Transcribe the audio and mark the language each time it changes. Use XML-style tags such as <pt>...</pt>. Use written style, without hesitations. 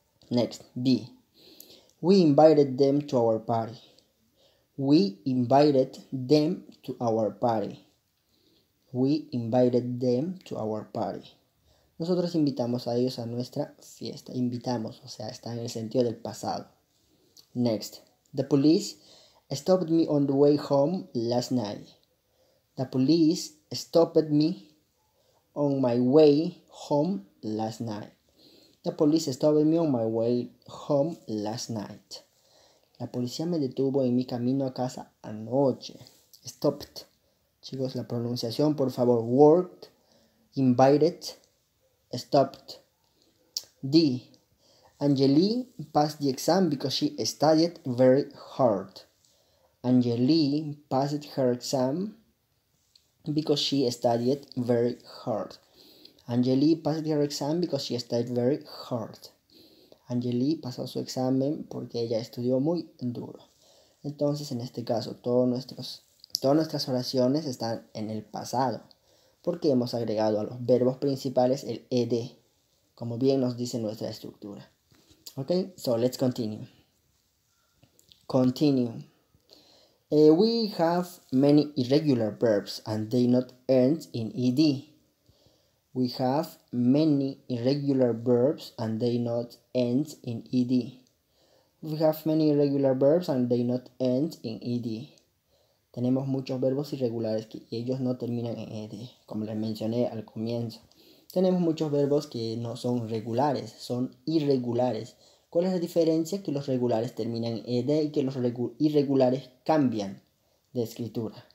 <en>Next, B. We invited them to our party. We invited them to our party. We invited them to our party.</en> <es>Nosotros invitamos a ellos a nuestra fiesta. Invitamos, o sea, está en el sentido del pasado.</es> <en>Next. The police stopped me on the way home last night. The police stopped me on my way home last night. The police stopped me on my way home last night.</en> <es>La policía me detuvo en mi camino a casa anoche. Stopped. Chicos, la pronunciación, por favor. Worked, invited, stopped. D.</es> <en>Angelie passed the exam because she studied very hard. Angelie passed her exam because she studied very hard. Angelie passed her exam because she studied very hard.</en> <es>Angelie pasó su examen porque ella estudió muy duro. Entonces, en este caso, todas nuestras oraciones están en el pasado. Porque hemos agregado a los verbos principales el ed, como bien nos dice nuestra estructura.</es> <en>Ok, so let's continue. Continue. We have many irregular verbs and they not end in ed. We have many irregular verbs and they not end in ed. We have many irregular verbs and they not end in ed.</en> <es>Tenemos muchos verbos irregulares que ellos no terminan en ed, como les mencioné al comienzo. Tenemos muchos verbos que no son regulares, son irregulares. ¿Cuál es la diferencia? Que los regulares terminan en ed y que los irregulares cambian de escritura.</es>